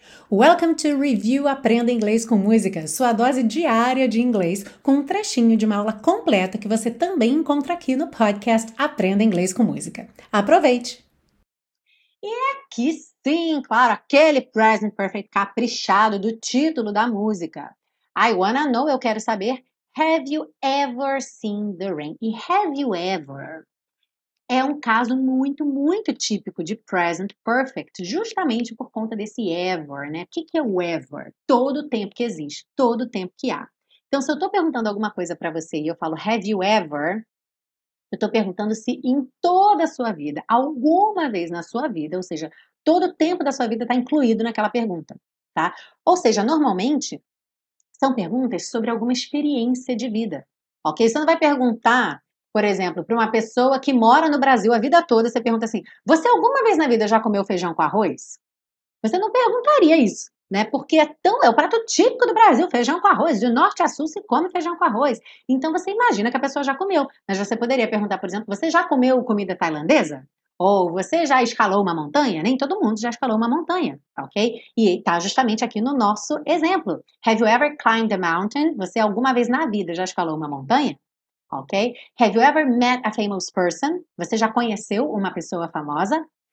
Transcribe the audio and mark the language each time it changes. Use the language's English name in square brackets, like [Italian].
[English] Welcome to [Portuguese] Review Aprenda Inglês com Música, sua dose diária de inglês, com um trechinho de uma aula completa que você também encontra aqui no podcast Aprenda Inglês com Música. Aproveite! E aqui sim, claro, aquele present perfect caprichado do título da música. [English] I wanna know, [Portuguese] eu quero saber, [English] have you ever seen the rain? E have you ever? [Portuguese] É um caso muito, muito típico de present perfect, justamente por conta desse ever, né? O que é o ever? Todo tempo que existe, todo tempo que há. Então, se eu estou perguntando alguma coisa para você e eu falo, [English] have you ever? [Portuguese] Eu estou perguntando se em toda a sua vida, alguma vez na sua vida, ou seja, todo o tempo da sua vida está incluído naquela pergunta, tá? Ou seja, normalmente, são perguntas sobre alguma experiência de vida, ok? Você não vai perguntar, por exemplo, para uma pessoa que mora no Brasil a vida toda, você pergunta assim, você alguma vez na vida já comeu feijão com arroz? Você não perguntaria isso, né? Porque é o prato típico do Brasil, feijão com arroz. Do norte a sul se come feijão com arroz. Então você imagina que a pessoa já comeu. Mas você poderia perguntar, por exemplo, você já comeu comida tailandesa? Ou você já escalou uma montanha? Nem todo mundo já escalou uma montanha, ok? E está justamente aqui no nosso exemplo. [English] Have you ever climbed a mountain? [Portuguese] Você alguma vez na vida já escalou uma montanha? Ok? [English] Have you ever met a famous person? [Portuguese] Você já conheceu uma pessoa famosa?